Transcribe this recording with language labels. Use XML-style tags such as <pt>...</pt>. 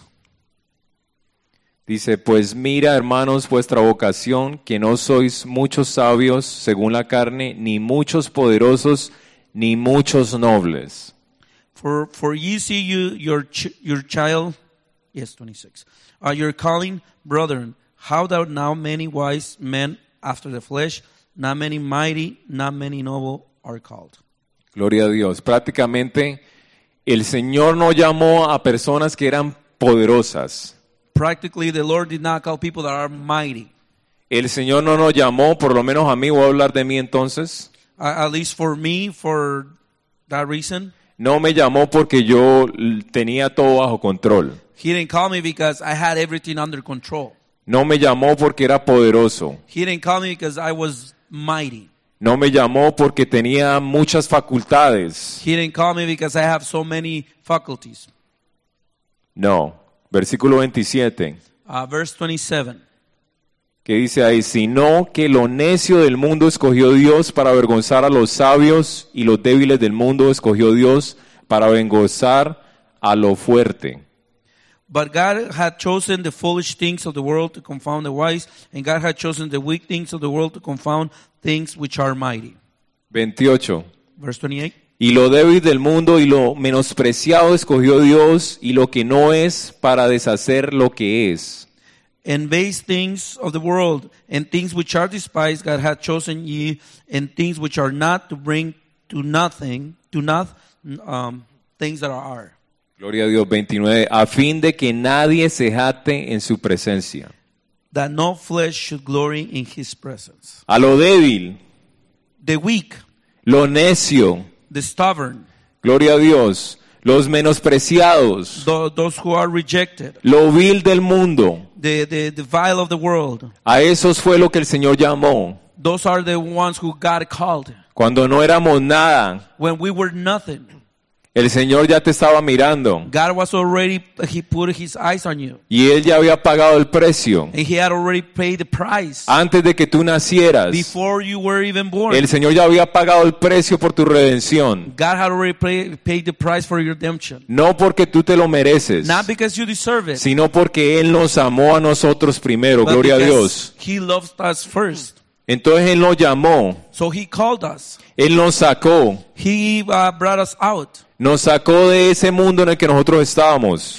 <es>Ahí. Dice, pues mira, hermanos, vuestra vocación, que no sois muchos sabios según la carne, ni muchos poderosos, ni muchos nobles.</es> <en>For ye see you, your child, yes, 26. Your calling, brethren, how that now many wise men after the flesh, not many mighty, not many noble are called.</en> <es>Gloria a Dios. Prácticamente, el Señor no llamó a personas que eran poderosas.</es> <en>Practically, the Lord did not call people that are mighty.</en> <es>El Señor no nos llamó, por lo menos a mí, voy a hablar de mí entonces.</es> <en>At least for me, for that reason.</en> <es>No me llamó porque yo tenía todo bajo control.</es> <en>He didn't call me because I had everything under control.</en> <es>No me llamó porque era poderoso.</es> <en>He didn't call me because I was mighty.</en> <es>No me llamó porque tenía muchas facultades.</es> <en>He didn't call me because I have so many faculties.</en> <es>No. Versículo 27.</es> <en>Verse 27.</en> <es>Que dice ahí, sino que lo necio del mundo escogió Dios para avergonzar a los sabios, y los débiles del mundo escogió Dios para avergonzar a lo fuerte.</es> <en>But God had chosen the foolish things of the world to confound the wise, and God had chosen the weak things of the world to confound things which are mighty.</en> <es>28.</es> <en>Verse 28.</en> <es>Y lo débil del mundo y lo menospreciado escogió Dios, y lo que no es para deshacer lo que es.</es> <en>And base things of the world and things which are despised God had chosen ye, and things which are not to bring to nothing, to not things that are.</en> <es>Gloria a Dios. 29. A fin de que nadie se jate en su presencia.</es> <en>That no flesh should glory in his presence.</en> <es>A lo débil.</es> <en>The weak.</en> <es>Lo necio.</es> <en>The stubborn.</en> <es>Gloria a Dios. Los menospreciados.</es> <en>Those who are rejected.</en> <es>Lo vil del mundo.</es> <en>The vile of the world.</en> <es>A esos fue lo que el Señor llamó.</es> <en>Those are the ones who God called.</en> <es>Cuando no éramos nada.</es> <en>When we were nothing.</en> <es>El Señor ya te estaba mirando.</es> <en>God was already, he put his eyes on you.</en> <es>Y Él ya había pagado el precio.</es> <en>And he had already paid the price.</en> <es>Antes de que tú nacieras.</es> <en>Before you were even born.</en> <es>El Señor ya había pagado el precio por tu redención.</es> <en>God had already paid the price for your redemption.</en> <es>No porque tú te lo mereces.</es> <en>Not because you deserve it.</en> <es>Sino porque Él nos amó a nosotros primero.</es> <en>But</en> <es>gloria a Dios.</es> <en>He loves us first.</en> <es>Entonces Él nos llamó.</es> <en>So he called us.</en> <es>Él nos sacó.</es> <en>He brought us out.</en> <es>Nos sacó de ese mundo en el que nosotros estábamos.</es>